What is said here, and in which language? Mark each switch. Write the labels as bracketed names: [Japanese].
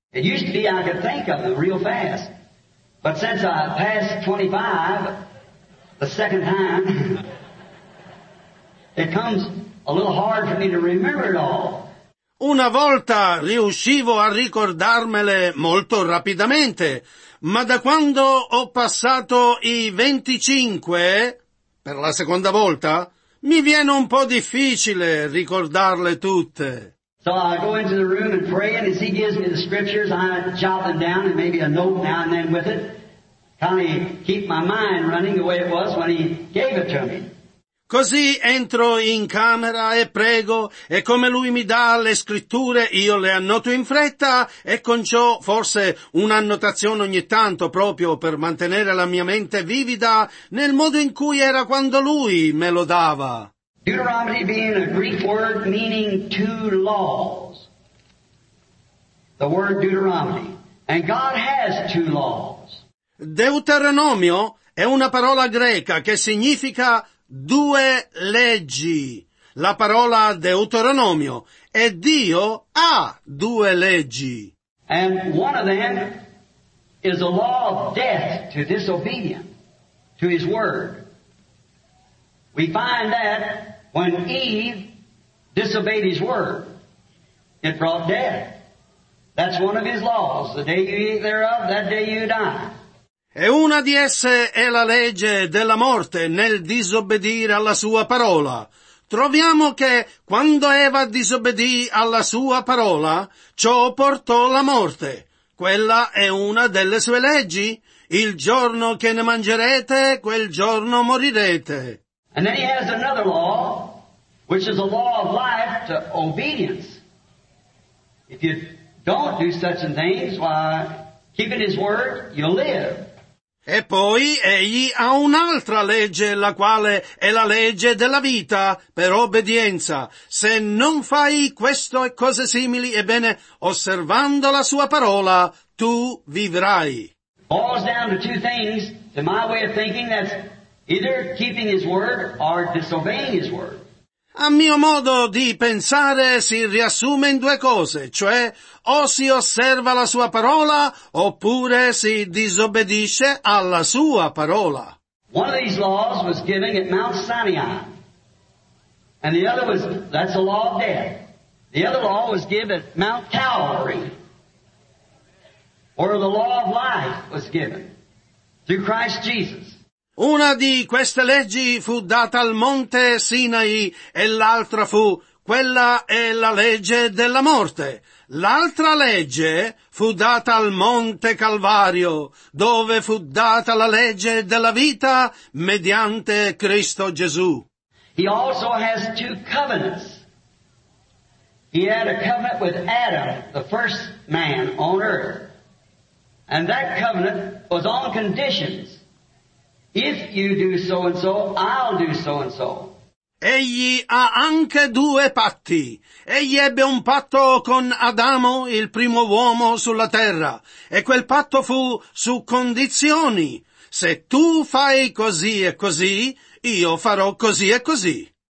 [English] It used to be I could think of them real fast. But since I passed 25, the second time, it comes a little hard for me to remember it all. [Italian] Una volta riuscivo a ricordarmele molto rapidamente, ma da quando ho passato i 25, per la seconda volta, mi viene un po' difficile ricordarle tutte. [English] So I go into the room and pray, and as he gives me the scriptures, I jot them down and maybe a note now and then with it. Kind of keep my mind running the way it was when he gave it to me. [Italian] Così entro in camera e prego, e come lui mi dà le scritture, io le annoto in fretta, e con ciò forse un'annotazione ogni tanto, proprio per mantenere la mia mente vivida nel modo in cui era quando lui me lo dava. [English] Deuteronomy being a Greek word meaning two laws. The word Deuteronomy. And God has two laws. [Italian] Deuteronomio è una parola greca che significa due leggi, la parola Deuteronomio, e Dio ha due leggi. [English] And one of them is a law of death to disobedience to his word. We find that when Eve disobeyed his word, it brought death. That's one of his laws. The day you eat thereof, that day you die. [Italian] E una di esse è la legge della morte nel disobbedire alla sua parola. Troviamo che quando Eva disobbedì alla sua parola, ciò portò la morte. Quella è una delle sue leggi. Il giorno che ne mangerete, quel giorno morirete. [English] And then he has another law, which is a law of life to obedience. If you don't do such and things, why, keeping his word, you'll live. [Italian] E poi egli ha un'altra legge, la quale è la legge della vita, per obbedienza. Se non fai questo e cose simili, ebbene, osservando la sua parola, tu vivrai. [English] Falls down to two things, to my way of thinking, that's either keeping his word or disobeying his word. [Italian] A mio modo di pensare si riassume in due cose, cioè o si osserva la sua parola oppure si disobbedisce alla sua parola. [English] One of these laws was given at Mount Sinai, and the other was, that's a law of death. The other law was given at Mount Calvary, where the law of life was given through Christ Jesus. [Italian] Una di queste leggi fu data al monte Sinai e l'altra fu, quella è la legge della morte. L'altra legge fu data al monte Calvario, dove fu data la legge della vita mediante Cristo Gesù. [English] He also has two covenants. He had a covenant with Adam, the first man on earth. And that covenant was on conditions. If you do so and so, I'll do so and so. [Italian] Egli ha anche due patti. Egli ebbe un patto con Adamo, il primo uomo sulla terra, e quel patto fu su condizioni. Se tu fai così e così, io farò così e così.